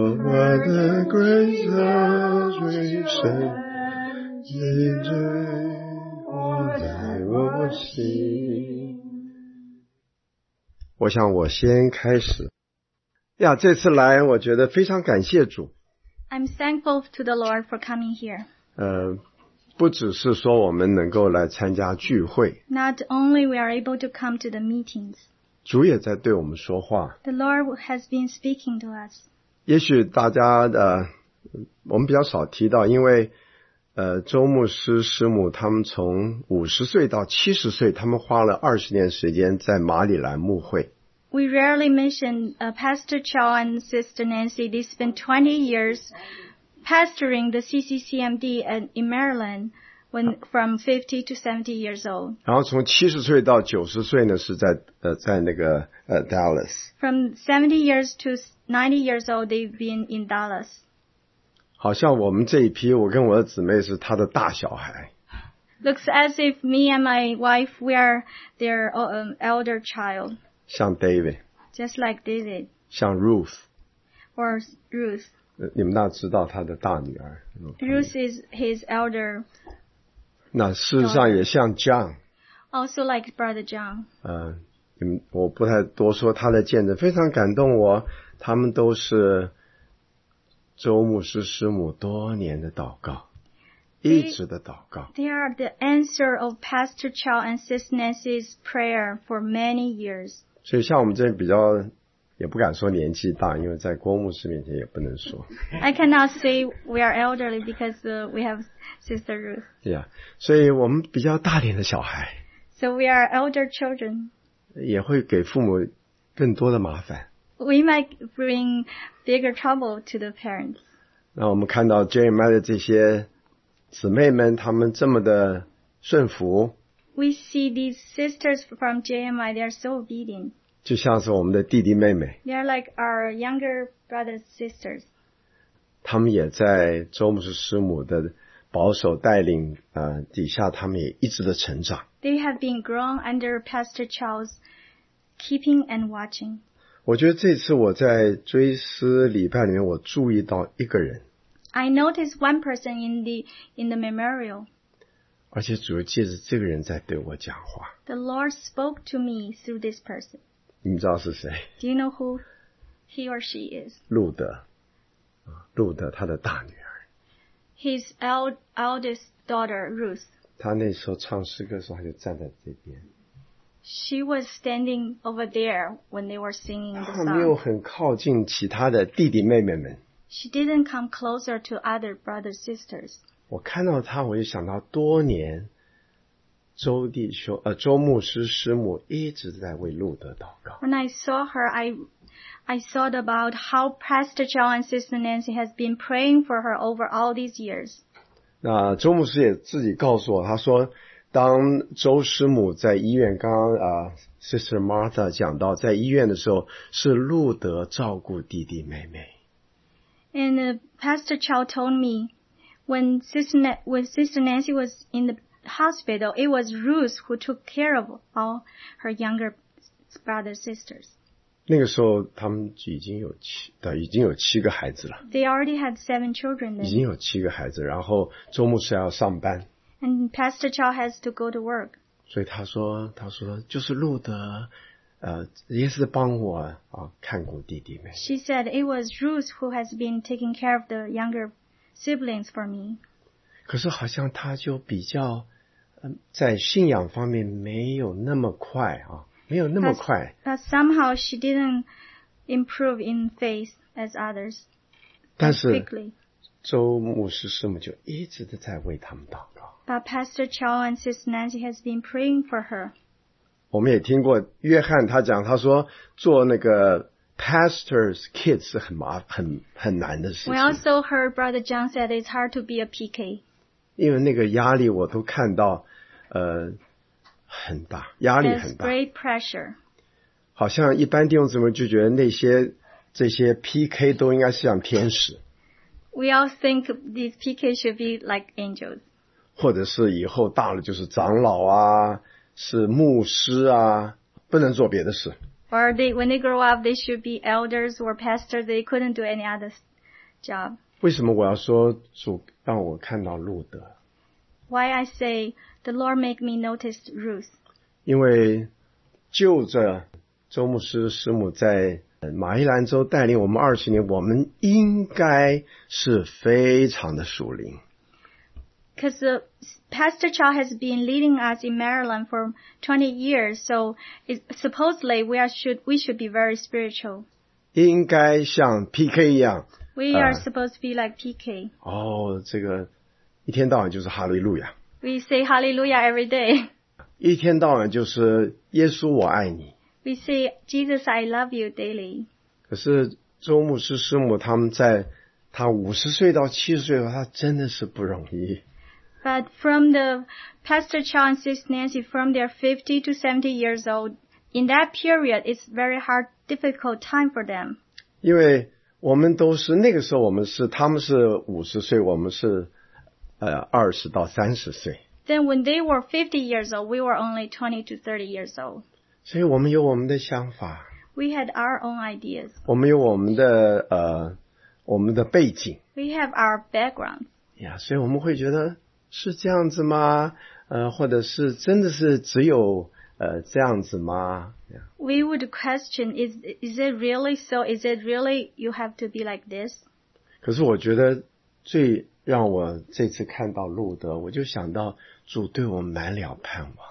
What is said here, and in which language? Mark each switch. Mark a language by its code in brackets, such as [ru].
[zh] 我的归宿最深，你最活在我心。我想我先开始。呀，这次来我觉得非常感谢主。 [en] I'm thankful to the Lord for coming here. [zh] 不只是说我们能够来参加聚会。 [en] Not only we are able to come to the meetings. [zh] 主也在对我们说话。 [en] The Lord has been speaking to us. [zh] 也许大家我们比较少提到，因为周牧师师母他们从50岁到70岁，他们花了20年时间在马里兰牧会。 [en] We rarely mention Pastor Chow and Sister Nancy. They spent 20 years pastoring the CCCMD in Maryland when from 50 to 70 years old. [zh] 然后从70岁到90岁呢是在在那个Dallas. [en] From 70 years to 90 years old they've been in Dallas. [zh] 好像我们这一批我跟我的姊妹是他的大小孩。 [en] Looks as if me and my wife we are their elder child. [zh] 像 David, [en] just like David, [zh] 像 Ruth, [en] or Ruth, [zh] 你们那知道他的大女儿 [en] Ruth is his elder. [zh] 那事实上也像 John, [en] also like Brother John. [zh] 你们我不太多说他的见证，非常感动我。他们都是周牧师师母多年的祷告。一直的祷告。 [en] They are the answer of Pastor Chow and Sister Nancy's prayer for many years. [zh] 所以像我们这比较也不敢说年纪大，因为在郭牧师面前也不能说。 [en] I cannot say we are elderly because we have Sister Ruth. Yeah, [zh] 所以我们比较大点的小孩。 [en] So we are elder children. [zh] 也会给父母更多的麻烦。 [en] We might bring bigger trouble to the parents. [zh] 那我们看到 JMI 的这些姊妹们她们这么的顺服。 [en] We see these sisters from JMI, they are so obedient. [zh] 就像是我们的弟弟妹妹。 [en] They are like our younger brothers and sisters. [zh] 她们也在周牧师师母的保守带领底下她们也一直的成长。 [en] They have been grown under Pastor Chow's keeping and watching. [zh] 我觉得这次我在追思礼拜里面我注意到一个人。 [en] I noticed one person in the memorial. [zh] 而且主要借着这个人在对我讲话。 [en] The Lord spoke to me through this person. [zh] 你知道是谁？ [en] Do you know who he or she is? [zh] 路德，路德他的大女儿。 [en] His eldest daughter, Ruth. [zh] 他那时候唱诗歌的时候，他就站在这边。 [en] She was standing over there when they were singing the song. [zh] 他没有很靠近其他的弟弟妹妹们。 [en] She didn't come closer to other brothers and sisters. [zh] 我看到她，我就想到多年周弟兄周牧师师母一直在为路德祷告。 [en] When I saw her, I thought about how Pastor John and Sister Nancy has been praying for her over all these years. [zh] 那周牧师也自己告诉我，他说，当周师母在医院，刚刚Sister Martha 讲到在医院的时候，是路德照顾弟弟妹妹。 [en] And Pastor Chow told me when Sister Nancy was in the hospital, it was Ruth who took care of all her younger brothers and sisters. [zh] 那个时候他们已经有七个孩子了。 [en] They already had 7 children then. [zh] 已经有七个孩子，然后周牧师要上班。 [en] And Pastor Chow has to go to work. [zh] 所以他说就是路德也是帮我看顾弟弟妹。 [en] She said it was Ruth who has been taking care of the younger siblings for me. [zh] 可是好像他就比较在信仰方面没有那么快。 [en] But somehow she didn't improve in faith as others. [zh] 但是周牧师师母就一直的在为他们祷告。 [en] But Pastor Chow and Sister Nancy has been praying for her. [zh] 我们也听过约翰他讲，他说做那个 [en] pastor's kid [zh] 是很难的事情。 [en] We also heard Brother John said it's hard to be a PK. [zh] 因为那个压力我都看到，很大，压力很大。 [en] There's great pressure. [zh] 好像一般弟兄姊妹就觉得这些 PK 都应该是像天使。 [en] We all think these PK should be like angels. [zh] 或者是以后大了就是长老啊。是牧师啊，不能做别的事。 [en] Or when they grow up, they should be elders or pastors. They couldn't do any other job. [zh] 为什么我要说主让我看到路德 [en] ？Why I say the Lord make me notice Ruth? [zh] 因为就着周牧师师母在马伊兰州带领我们20年，我们应该是非常的属灵。 [en] Because Pastor Chow has been leading us in Maryland for 20 years, so supposedly we should be very spiritual. [zh] 应该像 PK 一样。 [en] We are supposed to be like PK. [zh] 哦，这个一天到晚就是哈利路亚。 [en] We say hallelujah every day. [zh] 一天到晚就是耶稣我爱你。 [en] We say Jesus I love you daily. [zh] 可是周牧师师母他们在他50岁到70岁的时候他真的是不容易。 [en] But from the Pastor Chow and Sister Nancy from their 50 to 70 years old, in that period, it's very hard, difficult time for them. [zh] 因为我们都是那个时候我们是他们是50岁我们是20到30岁。 [en] Then when they were 50 years old, we were only 20 to 30 years old. [zh] 所以我们有我们的想法。 [en] We had our own ideas. [zh] 我们有我们的我们的背景。 [en] We have our background. [zh] 呀，所以我们会觉得是这样子吗？或者是真的是只有这样子吗？ [en] Yeah. We would question, is it really so? Is it really you have to be like this? [zh] 可是我觉得最让我这次看到路德，我就想到主对我满了盼望。